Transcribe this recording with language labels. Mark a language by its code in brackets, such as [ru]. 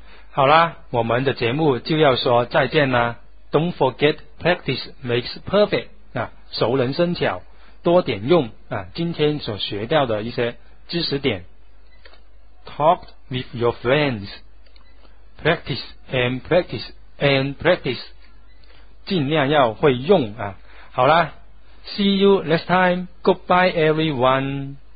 [zh] 好啦，我们的节目就要说再见啦。 [en] Don't forget, practice makes perfect. [zh] 啊，熟能生巧，多点用啊，今天所学到的一些知识点。 [en] Talk with your friends. Practice and practice and practice. [zh] 尽量要会用啊。 [en] 好啦， See you next time. Goodbye, everyone.